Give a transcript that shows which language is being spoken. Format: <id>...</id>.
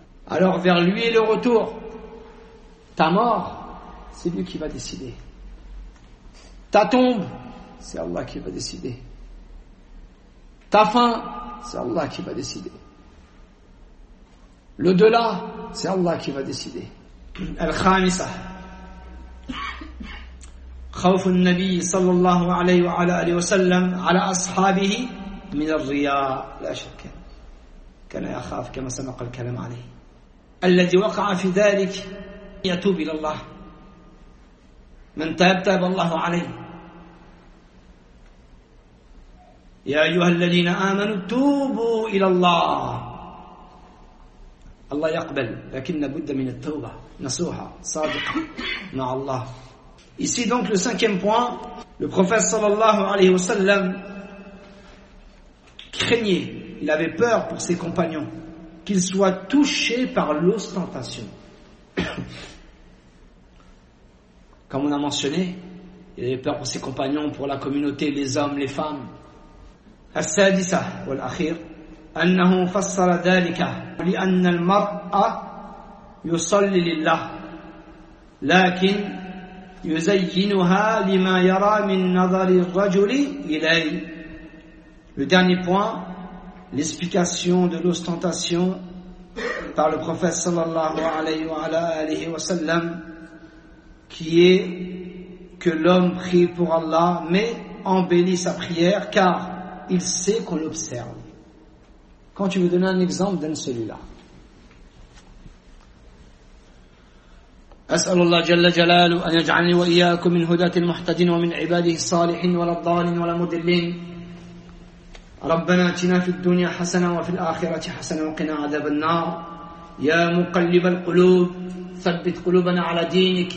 <fr>Alors vers lui est le retour. Ta mort, c'est lui qui va décider. Ta tombe, c'est Allah qui va décider. Ta fin, c'est Allah qui va décider. L'au-delà, c'est Allah qui va décider.</fr> <ar>Al-Khamisa. خوف النبي صلى الله عليه وعلى آله وسلم على أصحابه من الرياء لا شك كان يخاف كما سبق الكلام عليه الذي وقع في ذلك يتوب إلى الله من تاب تاب الله عليه يا أيها الذين آمنوا توبوا إلى الله الله يقبل لكن بد من التوبة نصوحة صادقة مع الله.</ar> <fr>Ici donc le cinquième point, le prophète</fr> <ar>sallallahu alayhi wa sallam</ar> <fr>craignait, il avait peur pour ses compagnons, qu'ils soient touchés par l'ostentation. Comme on a mentionné, il avait peur pour ses compagnons, pour la communauté, les hommes, les femmes.</fr> <ar>As-sadisa wal-akhir, annahu fassara dhalika, li anna al-mar'a yusalli lillah, lakin يزينها لما يرى من نظر الرجل إليه.</ar> <fr>Le dernier point, l'explication de l'ostentation par le prophète</fr> <ar>sallallahu alayhi wa sallam,</ar> <fr>qui est que l'homme prie pour Allah mais embellit sa prière car il sait qu'on l'observe. Quand tu veux donner un exemple, donne celui-là.</fr> <ar>أسأل الله جل جلاله أن يجعلني وإياكم من هداة المهتدين ومن عباده الصالحين ولا الضالين ولا المضلين. ربنا آتنا في الدنيا حسنة وفي الآخرة حسنة وقنا عذاب النار. يا مقلب القلوب ثبت قلوبنا على دينك.</ar>